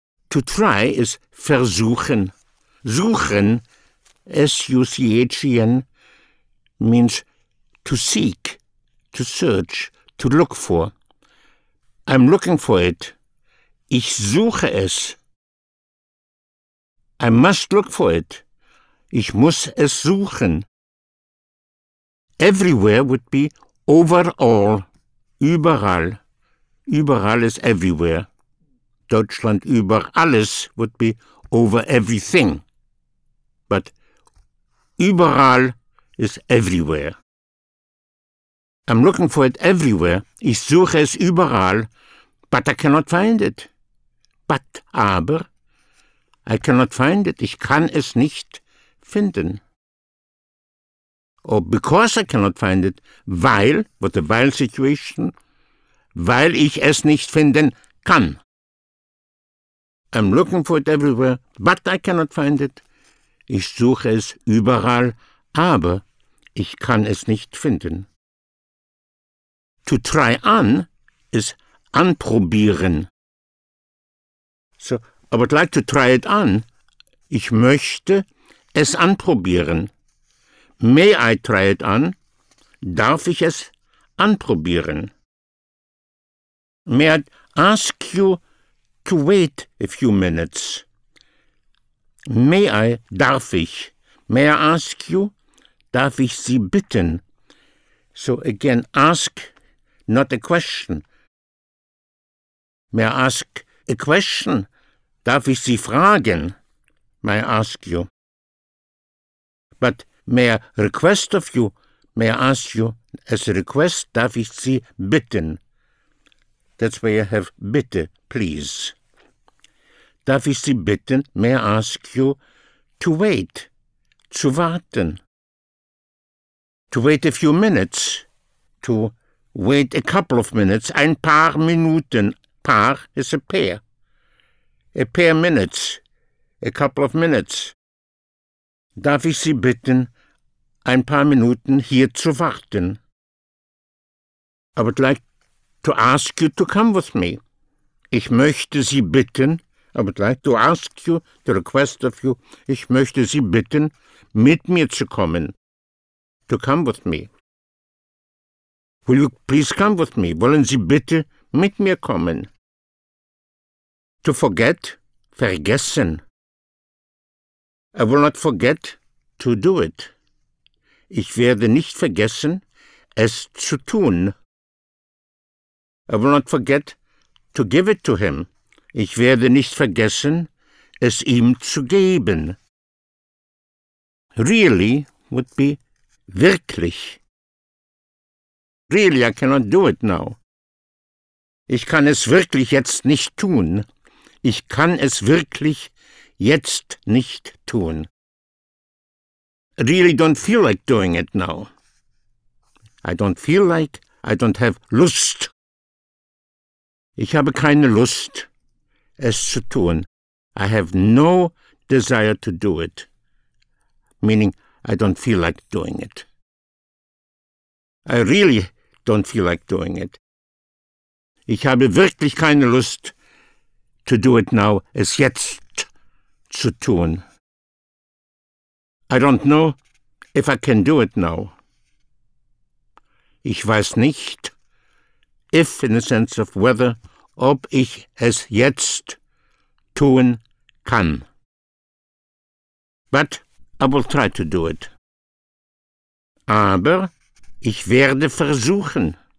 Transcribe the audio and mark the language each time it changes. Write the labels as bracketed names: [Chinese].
[English] To try is versuchen. Suchen, S-U-C-H-E-N, means to seek, to search, to look for. I'm looking for it. [German] Ich suche es. [English] I must look for it. [German] Ich muss es suchen. [English] Everywhere would be overall, überall. Überall is everywhere. [German] Deutschland über alles [English] would be over everything. But überall is everywhere. I'm looking for it everywhere. [German] Ich suche es überall, [English] but I cannot find it. But, aber, I cannot find it. [German] Ich kann es nicht finden. [English] Or because I cannot find it, weil, with the weil situation, [German] weil ich es nicht finden kann. [English] I'm looking for it everywhere, but I cannot find it. [German] Ich suche es überall, aber ich kann es nicht finden. [English] To try on is anprobieren. So, I would like to try it on. [German] Ich möchte es anprobieren. [English] May I try it on? [German] Darf ich es anprobieren? [English] May I ask you to wait a few minutes? May I, [German] darf ich? [English] May I ask you, [German] darf ich Sie bitten? [English] So again, ask, not a question. May I ask a question? [German] Darf ich Sie fragen? [English] May I ask you? But may I request of you? May I ask you, as a request, [German] darf ich Sie bitten? [English] That's where you have bitte, please. [German] Darf ich Sie bitten, [English] may I ask you, to wait, [German] zu warten. [English] To wait a few minutes, to wait a couple of minutes, [German] ein paar Minuten. [English] Paar is a pair. A pair minutes, a couple of minutes. [German] Darf ich Sie bitten, ein paar Minuten hier zu warten. [English] I would like to ask you to come with me. [German] Ich möchte Sie bitten, [English] I would like to ask you, to request of you, [German] ich möchte Sie bitten, mit mir zu kommen. [English] To come with me. Will you please come with me? [German] Wollen Sie bitte mit mir kommen? [English] To forget, vergessen. I will not forget to do it. [German] Ich werde nicht vergessen, es zu tun. [English] I will not forget to give it to him. [German] Ich werde nicht vergessen, es ihm zu geben. [English] Really would be wirklich. Really, I cannot do it now. [German] Ich kann es wirklich jetzt nicht tun. Ich kann es wirklich jetzt nicht tun. [English] Really don't feel like doing it now. I don't feel like, I don't have Lust. [German] Ich habe keine Lust, es zu tun. [English] I have no desire to do it. Meaning, I don't feel like doing it. I really don't feel like doing it. [German] Ich habe wirklich keine Lust, [English] to do it now, [German] es jetzt zu tun. [English] I don't know if I can do it now. [German] Ich weiß nicht, [English] if in the sense of whether, [German] ob ich es jetzt tun kann. [English] But I will try to do it. [German] Aber ich werde versuchen.